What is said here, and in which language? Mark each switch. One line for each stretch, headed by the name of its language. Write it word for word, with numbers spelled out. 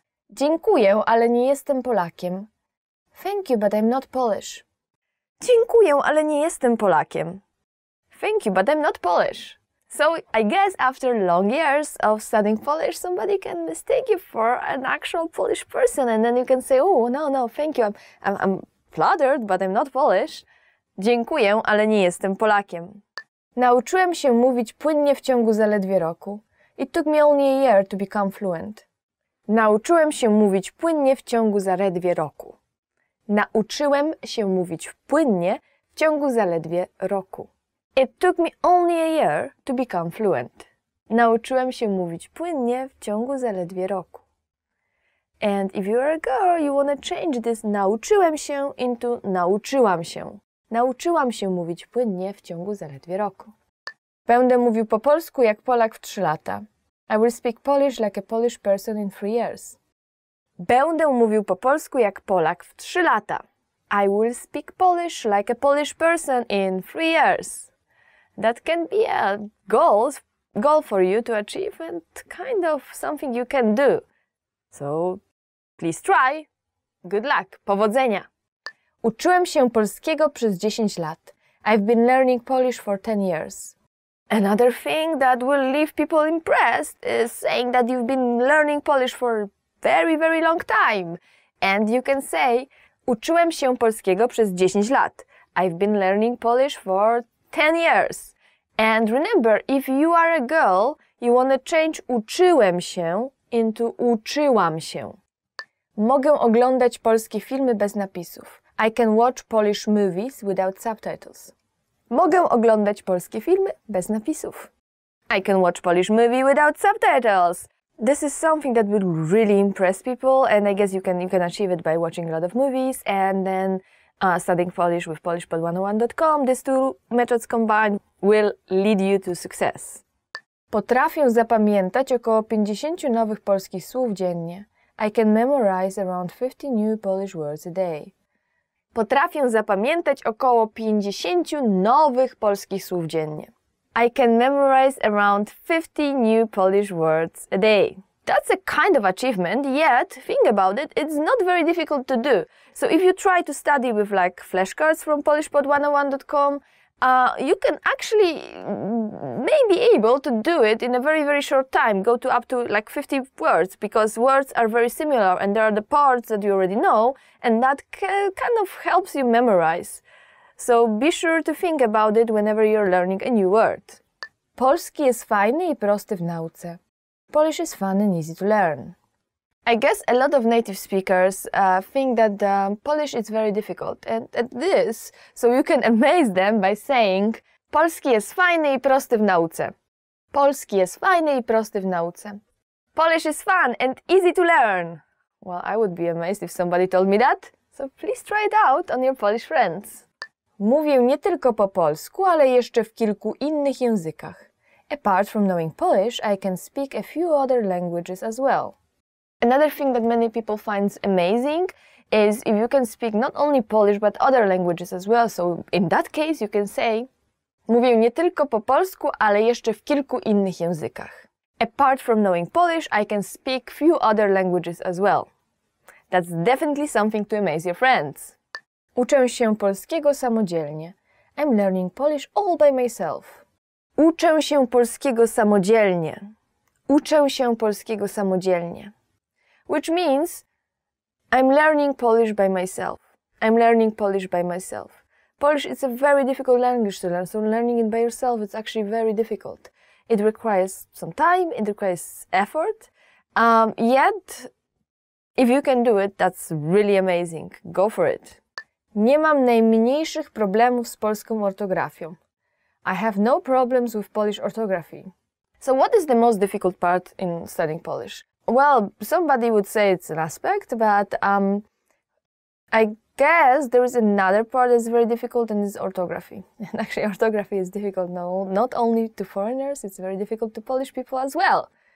Polish: Dziękuję, ale nie jestem Polakiem.
English: Thank you, but I'm not Polish.
Polish: Dziękuję, ale nie jestem Polakiem.
English: Thank you, but I'm not Polish. So, I guess after long years of studying Polish, somebody can mistake you for an actual Polish person and then you can say, oh, no, no, thank you, I'm, I'm, I'm flattered, but I'm not Polish.
Polish: Dziękuję, ale nie jestem Polakiem. Nauczyłem się mówić płynnie w ciągu zaledwie roku.
English: It took me only a year to become fluent.
Polish: Nauczyłem się mówić płynnie w ciągu zaledwie roku. Nauczyłem się mówić płynnie w ciągu zaledwie roku.
English: It took me only a year to become fluent.
Polish: Nauczyłem się mówić płynnie w ciągu zaledwie roku.
English: And if you're a girl, you wanna change this
Polish: nauczyłem się
English: into
Polish: nauczyłam się. Nauczyłam się mówić płynnie w ciągu zaledwie roku. Będę mówił po polsku jak Polak w trzy lata.
English: I will speak Polish like a Polish person in three years.
Polish: Będę mówił po polsku jak Polak w trzy lata.
English: I will speak Polish like a Polish person in three years. That can be a goal, goal for you to achieve and kind of something you can do. So, please try. Good luck.
Polish: Powodzenia. Uczyłem się polskiego przez dziesięć lat.
English: I've been learning Polish for ten years. Another thing that will leave people impressed is saying that you've been learning Polish for a very, very long time. And you can say,
Polish: uczyłem się polskiego przez dziesięć lat.
English: I've been learning Polish for ten years. And remember, if you are a girl, you want to change
Polish: uczyłem się
English: into
Polish: uczyłam się. Mogę oglądać polskie filmy bez napisów.
English: I can watch Polish movies without subtitles.
Polish: Mogę oglądać polskie filmy bez napisów.
English: I can watch Polish movie without subtitles. This is something that will really impress people, and I guess you can you can achieve it by watching a lot of movies and then Uh, studying Polish with Polish Pod one oh one dot com, these two methods combined will lead you to success.
Polish: Potrafię zapamiętać około pięćdziesiąt nowych polskich słów dziennie.
English: I can memorize around fifty new Polish words a day.
Polish: Potrafię zapamiętać około pięćdziesiąt nowych polskich słów dziennie.
English: I can memorize around fifty new Polish words a day. That's a kind of achievement, yet, think about it, it's not very difficult to do. So if you try to study with like flashcards from Polish Pod one oh one dot com, uh, you can actually may be able to do it in a very, very short time, go to up to like fifty words, because words are very similar and there are the parts that you already know, and that ca- kind of helps you memorize. So be sure to think about it whenever you're learning a new word.
Polish: Polski jest fajny i prosty w nauce.
English: Polish is fun and easy to learn. I guess a lot of native speakers uh, think that um, Polish is very difficult, and at this, so you can amaze them by saying
Polish: Polski jest fajny i prosty w nauce. Polski jest fajny i prosty w nauce.
English: Polish is fun and easy to learn. Well, I would be amazed if somebody told me that, so please try it out on your Polish friends.
Polish: Mówię nie tylko po polsku, ale jeszcze w kilku innych językach.
English: Apart from knowing Polish, I can speak a few other languages as well. Another thing that many people find amazing is if you can speak not only Polish but other languages as well. So in that case, you can say
Polish: Mówię nie tylko po polsku, ale jeszcze w kilku innych językach.
English: Apart from knowing Polish, I can speak few other languages as well. That's definitely something to amaze your friends.
Polish: Uczę się polskiego samodzielnie.
English: I'm learning Polish all by myself.
Polish: Uczę się polskiego samodzielnie. Uczę się polskiego samodzielnie.
English: Which means I'm learning Polish by myself. I'm learning Polish by myself. Polish is a very difficult language to learn, so learning it by yourself is actually very difficult. It requires some time, it requires effort. Um, yet, if you can do it, that's really amazing. Go for it.
Polish: Nie mam najmniejszych problemów z polską ortografią.
English: I have no problems with Polish orthography. So what is the most difficult part in studying Polish? Well, somebody would say it's an aspect, but um, I guess there is another part that's very difficult, and it's orthography. And actually, orthography is difficult no, not only to foreigners, it's very difficult to Polish people as well.